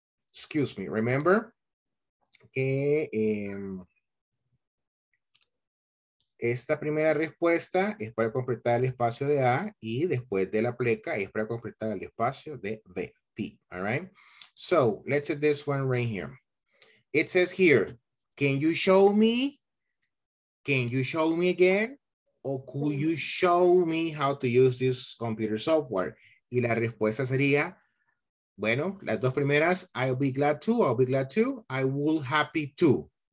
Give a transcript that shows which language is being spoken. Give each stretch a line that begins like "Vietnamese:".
English: Excuse me,
Spanish: remember que esta primera respuesta es para completar el espacio de A y después de la pleca es para completar el espacio de B, T,
English: all right? So, let's see this one right here. It says here, can you show me again? O could you show me how to use this computer software?
Spanish: Y la respuesta sería, bueno, las dos primeras,
English: I'll be glad to, I will happy to.